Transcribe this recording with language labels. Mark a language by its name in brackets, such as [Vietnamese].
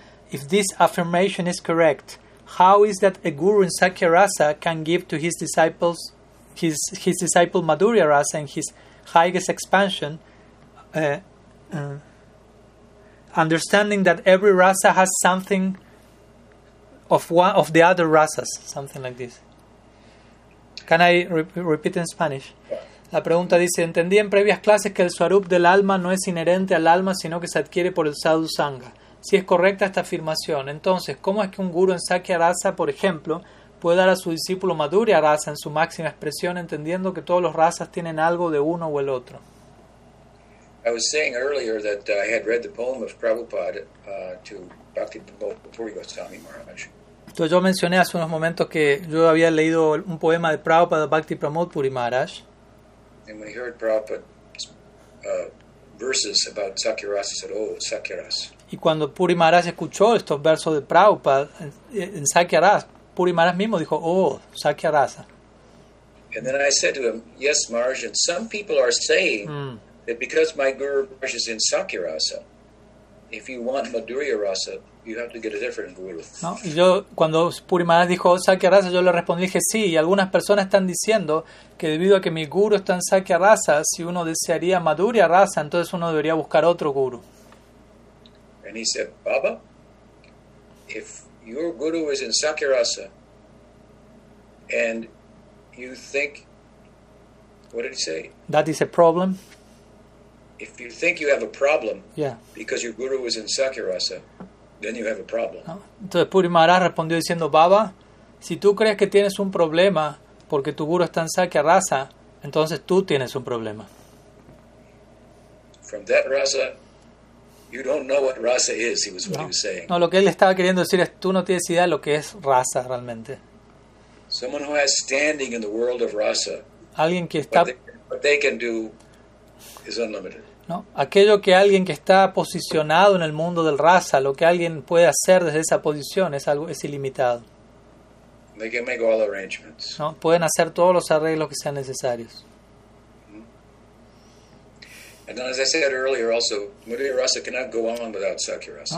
[English] If this affirmation is correct, how is that a guru in Sakya Rasa can give to his disciples, his disciple Madhurya Rasa and his highest expansion, understanding that every rasa has something of one of the other rasas, something like this. Can I repeat in Spanish? [Spanish] La pregunta dice, entendí en previas clases que el swarup del alma no es inherente al alma, sino que se adquiere por el sadhu sangha. Si es correcta esta afirmación, entonces, ¿cómo es que un guru en Sakya Rasa, por ejemplo, puede dar a su discípulo Madhurya Rasa en su máxima expresión, entendiendo que todos los rasas tienen algo de uno o el otro? [English] I was saying earlier that I had read the poem of Prabhupada to Bhakti Purvi Goswami Maharaj. [Spanish] Entonces yo mencioné hace unos momentos que yo había leído un poema de Prabhupada Bhakti Pramod Puri Maharaj. [English] And when he heard Prabhupada's verses about Sakya Rasa, he said, "Oh, Sakya Rasa." [Spanish] Y cuando Puri Maharaj escuchó estos versos de Prabhupada en Sakya Rasa, Puri Maharaj mismo dijo, "Oh, Sakya Rasa." [English] And then I said to him, "Yes, Maharaj, and some people are saying that because my Guru Maharaj is in Sakya Rasa, if you want Madhurya Rasa, you have to get a different guru. [Spanish] No, y yo cuando Puri Maharaj dijo Sakya Rasa, yo le respondí, dije sí, y algunas personas están diciendo que debido a que mi guru está en Sakya Rasa, si uno desearía Madhurya Rasa, entonces uno debería buscar otro guru. [English] And he said, Baba, if your guru is in Sakya Rasa, and you think, what did he say? That is a problem. If you think you have a problem, yeah, because your guru is in Sakya Rasa, then you have a problem. [Spanish] Entonces Puri Maharaj respondió diciendo, Baba, si tú crees que tienes un problema porque tu guru está en Sakya Rasa, entonces tú tienes un problema. [English] From that rasa, you don't know what rasa is, he was what he was saying. [Spanish] No, lo que él estaba queriendo decir es, tú no tienes idea de lo que es rasa realmente. [English] Someone who has standing in the world of rasa, [Spanish] alguien que está, [English] what they can do is unlimited. [Spanish] No, aquello que alguien que está posicionado en el mundo del rasa, lo que alguien puede hacer desde esa posición es algo, es ilimitado. [English] They can make all arrangements. [Spanish] No, pueden hacer todos los arreglos que sean necesarios. [English] And then, as I said earlier, also Madhurya Rasa cannot go on without Sakya Rasa.